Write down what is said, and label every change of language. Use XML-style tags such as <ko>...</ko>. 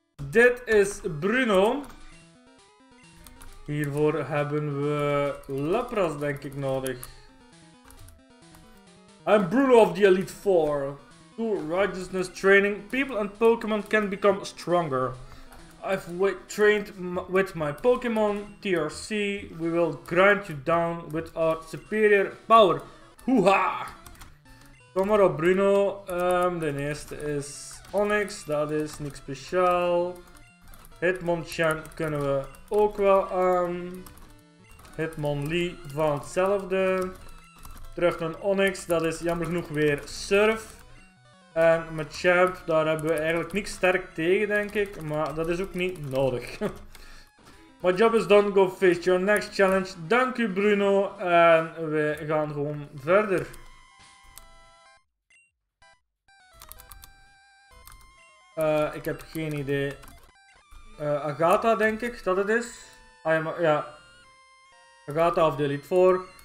<nl>Dit is Bruno. Hiervoor hebben we Lapras, denk ik, nodig.</nl> <en>I'm Bruno of the Elite Four. Through righteousness training, people and Pokémon can become stronger. I've trained with my Pokémon, TRC, we will grind you down with our superior power. Hoo-ha!</en> <nl>Kom maar op Bruno, de eerste is Onyx, dat is niks speciaal. Hitmonchan kunnen we ook wel aan. Hitmonlee van hetzelfde. Terug naar Onyx, dat is jammer genoeg weer Surf. En met Champ, daar hebben we eigenlijk niks sterk tegen, denk ik. Maar dat is ook niet nodig.</nl> <en>My job is done, go face your next challenge.</en> <nl>Dank u, Bruno. En we gaan gewoon verder. Ik heb geen idee. Agatha, denk ik, dat het is. Ja.</nl> <en>Agatha of Delete 4.</en>